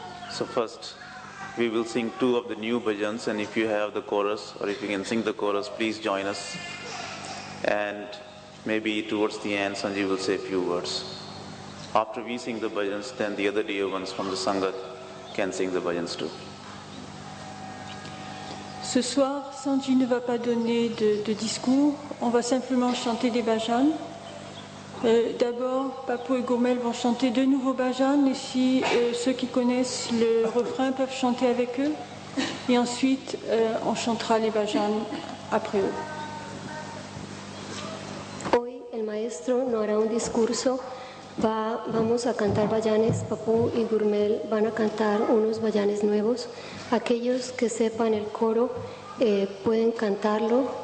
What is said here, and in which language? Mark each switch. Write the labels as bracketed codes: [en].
[en] So first, we will sing two of the new bhajans, and if you have the chorus or if you can sing the chorus, please join us. And maybe towards the end, Sanji will say a few words. After we sing the bhajans, then the other dear ones from the Sangat can sing the bhajans too. [fr] Ce soir, Sanji ne va pas donner de discours. On va simplement chanter des bhajans. D'abord, Papou et Gourmel vont chanter deux nouveaux bhajans, et si ceux qui connaissent le refrain peuvent chanter avec eux, et ensuite on chantera les bhajans après eux. [es] Hoy el maestro no hará un discurso, vamos a cantar bhajanes. Papou y Gourmel van a cantar unos bhajanes nuevos. Aquellos que sepan el coro pueden cantarlo